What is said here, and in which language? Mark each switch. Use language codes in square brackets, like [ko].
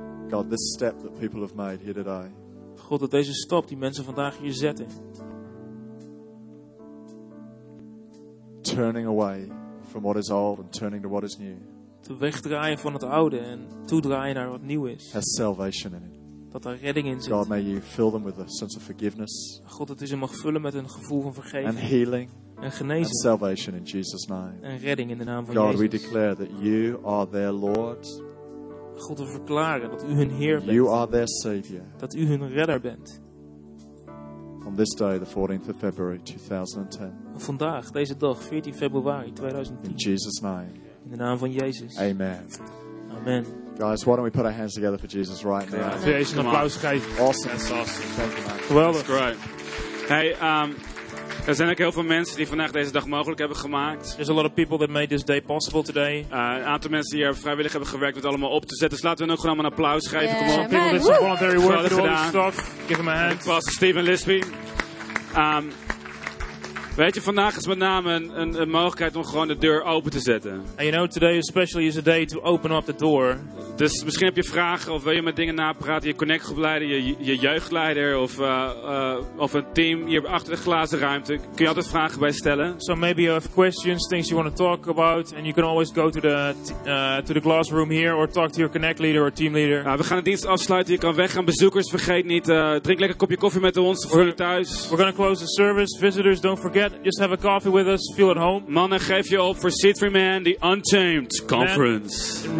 [en] God, this step that people have made here today. [nl] God, dat deze stap die mensen vandaag hier zetten. [en] Turning away from what is old and turning to what is new. [nl] Te wegdraaien van het oude en toedraaien naar wat nieuw is. [en] Has salvation in it. [nl] Dat er redding in zit. [en] God, may you fill them with a sense of forgiveness. [nl] God, dat u ze mag vullen met een gevoel van vergeving. [en] And healing. [nl] en genezing. [en] And salvation in Jesus' name. [nl] En redding in de naam van God, Jezus. [en] God, we declare that you are their Lord. [nl] God, we verklaren dat u hun Heer bent. [en] You are their Savior. [nl] Dat u hun redder bent. [en] On this day, the 14th of February 2010. [nl] Vandaag, deze dag, 14 februari 2010. [en] In Jesus' name. [nl] In de naam van Jezus. [en] Amen. [nl] Amen. [en] Guys, why don't we put our hands together for Jesus right now? [nl] Even een applaus geven. [en] Awesome. That's awesome. Thank you, man. [nl] Geweldig. [en] That's great. [nl] Hey, er zijn ook heel veel mensen die vandaag deze dag mogelijk hebben gemaakt. [en] There's a lot of people that made this day possible today. [nl] Een aantal mensen die hier vrijwillig hebben gewerkt om het allemaal op te zetten. Dus laten we ook gewoon allemaal een applaus geven. [en] Yeah. Come on, people did some voluntary work with all this stuff. Give them a hand. Pastor Steven Lisby. [nl] Weet je, vandaag is met name een mogelijkheid om gewoon de deur open te zetten. [en] And you know, today especially is a day to open up the door. [nl] Dus misschien heb je vragen of wil je met dingen napraten, je connectgroepleider, je jeugdleider of een team hier achter de glazen ruimte. Kun je altijd vragen bij stellen. [en] So maybe you have questions, things you want to talk about and you can always go to the glass room here or talk to your connect leader or team leader. [nl] We gaan de dienst afsluiten, je kan weggaan. Bezoekers, vergeet niet, drink lekker een kopje koffie met ons voor jullie thuis. [en] We're going to close the service, visitors don't forget, just have a coffee with us, feel at home. [nl] Mannen, geef je op voor Seed Free Man, the Untamed Conference.